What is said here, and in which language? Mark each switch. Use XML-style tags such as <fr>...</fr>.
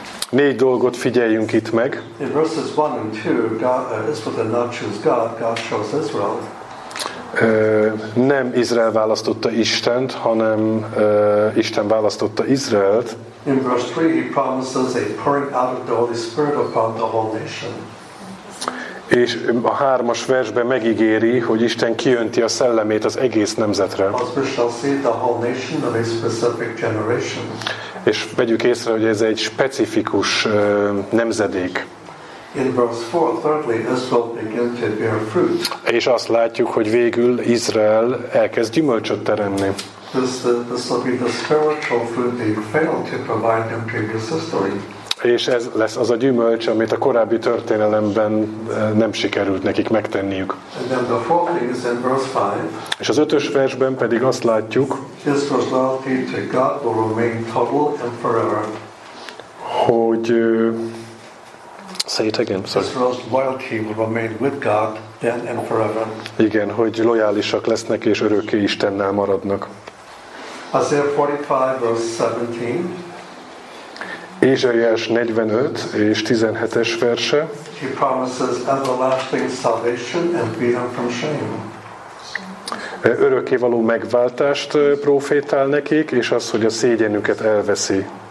<hu>Négy dolgot figyeljünk itt meg.</hu> <en>In verses 1 and 2, Israel did not choose God, God chose Israel.</en> <hu>Nem Izrael választotta Istent, hanem Isten választotta Izraelt.</hu> <en>In verse 3 he promises a pouring out of the Holy Spirit upon the whole nation.</en> <hu>És a hármas versben megígéri, hogy Isten kiönti a szellemét az egész nemzetre.</hu> <en>As we shall see the whole nation of a specific generation.</en> <hu>És vegyük észre, hogy ez egy specifikus nemzedék.</hu> <en>In verse 4, thirdly, Israel began to bear fruit.</en> <hu>És azt látjuk, hogy végül Izrael elkezd gyümölcsöt teremni.</hu> <en>This will be the spiritual fruit they failed to provide in previous history.</en> <hu>És ez lesz az a gyümölcs, amit a korábbi történelemben nem sikerült nekik megtenniük.</hu> <en>And then the fourth thing is in verse 5.</en> <hu>És az ötös versben pedig azt látjuk,</hu> <en>Israel's loyalty to God will remain total and forever.</en> <hu>Hogy</hu> <en>say it again, sorry. Israel's loyalty will remain with God then and forever.</en> <hu>Igen, hogy lojálisak lesznek és örökké Istennel maradnak.</hu> <en>Isaiah 45 verse 17.</en> <hu>Ézsaiás 45 és 17-es verse.</hu> <en>He promises everlasting salvation and freedom from shame.</en> <hu>Örökkévaló megváltást prófétál nekik, és az, hogy a szégyenüket elveszi.</hu>